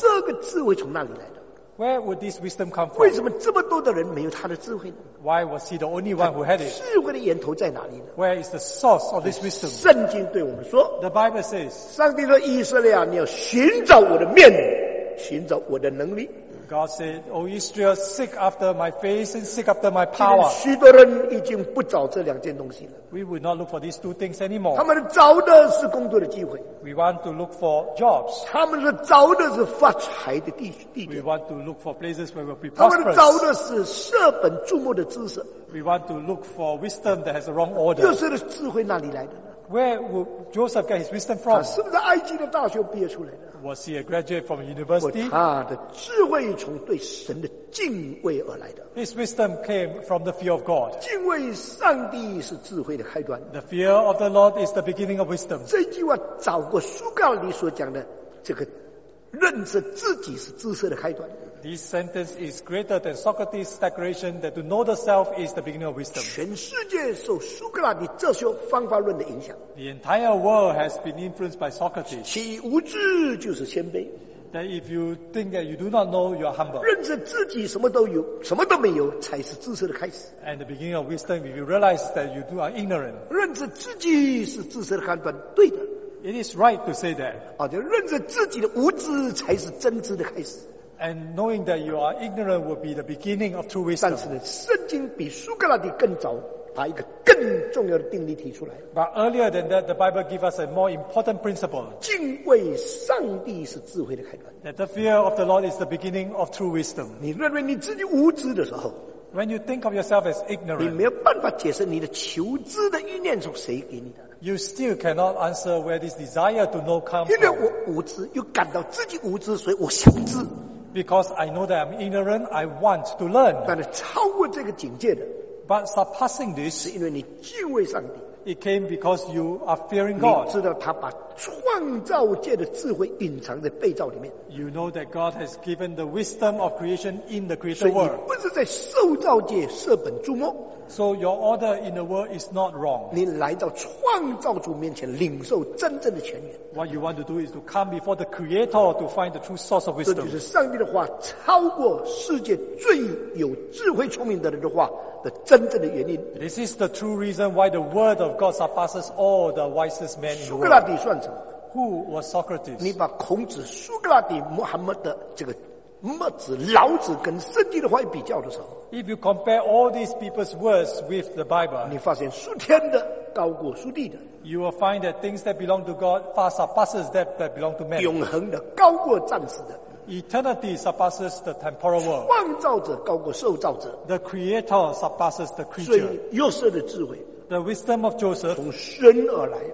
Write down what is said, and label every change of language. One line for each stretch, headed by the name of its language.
Chinese: 这个智慧从哪里来的？
English: Where would this wisdom come from?
Chinese: 为什么这么多的人没有他的智慧呢？
English: Why was he the only one who had it?
Chinese: 智慧的源头在哪里呢？
English: Where is the source of this wisdom?
Chinese: 圣经对我们说，
English: The Bible says,
Chinese: 上帝说以色列啊，你要寻找我的面，寻找我的能力。
English: God said, O Israel, seek after my face and seek after my power.
Chinese: 许多人已经不找这两件东西了。
English: We would not look for these two things anymore.
Chinese: 他们找的是工作的机会。
English: We want to look for jobs.
Chinese: 他们是找的是发财的地点。
English: We want to look for places where we'll be prosperous.
Chinese: 他们找的是舍本逐末的知识。
English: We want to look for wisdom that has the wrong order.
Chinese: 又是智慧哪里来的呢？
English: Where would Joseph get his wisdom from?
Chinese: 他是不是埃及的大学毕业出来的？
English: Was he a graduate from university?
Chinese: 他的智慧从对神的敬畏而来的。
English: His wisdom came from the fear of God.
Chinese: 敬畏上帝是智慧的开端。
English: The fear of the Lord is the beginning of wisdom.
Chinese: 这句话找过书稿里所讲的这个认识自己是知识的开端。
English: This sentence is greater than Socrates' declaration that to know the self is the beginning of wisdom.
Chinese: 全世界受苏格拉底哲学方法论的影响。
English: The entire world has been influenced by Socrates.
Chinese: 岂无知就是谦卑。
English: That if you think that you do not know, you are humble.
Chinese: 认识自己什么都有，什么都没有，才是知识的开始。
English: And the beginning of wisdom, if you realize that you do are ignorant.
Chinese: 认识自己是知识的开端，对的。
English: It is right to say that.
Chinese: 就认识自己的无知才是真知的开始。
English: And knowing that you are ignorant will be the beginning of true wisdom.
Chinese: 但是呢，圣经比苏格拉底更早把一个更重要的定律提出来。
English: But earlier than that, the Bible gives us a more important principle.
Chinese: 敬畏上帝是智慧的开端。
English: That the fear of the Lord is the beginning of true wisdom.
Chinese: 你认为你自己无知的时候，
English: When you think of yourself as ignorant,
Chinese: 你没有办法解释你的求知的意念从谁给你的。
English: You still cannot answer where this desire to know comes from.
Chinese: 因为我无知，又感到自己无知，所以我想知。
English: Because I know that I'm ignorant, I want to learn.
Chinese: 但是超过这个境界的，
English: But surpassing this,
Chinese: 是因为你敬畏上帝。
English: It came because you are fearing God.
Chinese: 你知道他把创造界的智慧隐藏在被造里面。
English: You know that God has given the wisdom of creation in the created world.
Chinese: 所以你不是在受造界舍本逐末。
English: So your order in the world is not wrong.
Chinese: 你来到创造主面前领受真正的泉源。
English: What you want to do is to come before the Creator to find the true source of wisdom.
Chinese: 这就是上帝的话超过世界最有智慧聪明的人的话的真正的原因。
English: This is the true reason why the word of God surpasses all the wisest men in the world.
Chinese: 苏格拉底算什么？
English: Who was Socrates?
Chinese: 你把孔子、苏格拉底、穆罕默德这个墨子、老子跟圣经的话比较的时候，
English: If you compare all these people's words with the Bible,
Chinese: 你发现属天的高过属地的，
English: You will find that things that belong to God far surpasses that that belong to man.
Chinese: 永恒的高过暂时的，
English: Eternity surpasses the temporal world.
Chinese: 创造者高过受造者，
English: The Creator surpasses the creature.
Chinese: 所以约瑟的智慧，
English: The wisdom of Joseph
Chinese: 从神而来，